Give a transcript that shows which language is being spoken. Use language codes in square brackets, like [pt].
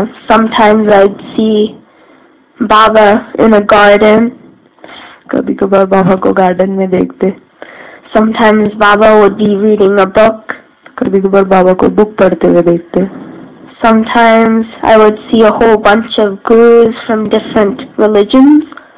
[en] Sometimes I'd see Baba in a garden. [hi] कभी कभार बाबा को गार्डन में देखते. [en] Sometimes Baba would be reading a book. [hi] कभी कभार बाबा को बुक पढ़ते हुए देखते. [en] Sometimes I would see a whole bunch of gurus from different religions.